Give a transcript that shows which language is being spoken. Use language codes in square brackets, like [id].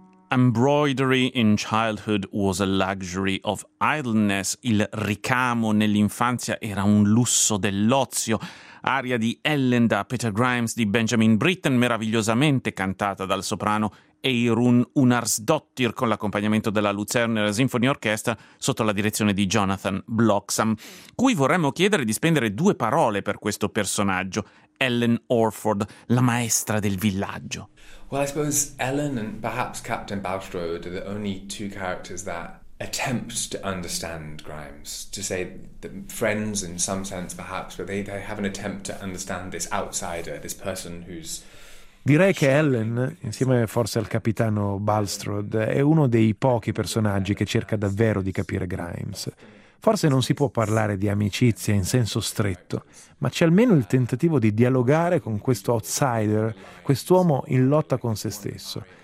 [en] embroidery in childhood was a luxury of idleness. [it] Il ricamo nell'infanzia era un lusso dell'ozio. Aria di Ellen da Peter Grimes di Benjamin Britten, meravigliosamente cantata dal soprano Eirun Unarsdottir con l'accompagnamento della Luzerner Symphony Orchestra sotto la direzione di Jonathan Bloxam, cui vorremmo chiedere di spendere due parole per questo personaggio, Ellen Orford, la maestra del villaggio. [en] Well, I suppose Ellen and perhaps Captain Bulstrode are the only two characters that attempt to understand Grimes, to say that friends in some sense perhaps, but they have an attempt to understand this outsider, this person who's... [it] Direi che Ellen, insieme forse al capitano Bulstrode, è uno dei pochi personaggi che cerca davvero di capire Grimes. Forse non si può parlare di amicizia in senso stretto, ma c'è almeno il tentativo di dialogare con questo outsider, quest'uomo in lotta con se stesso.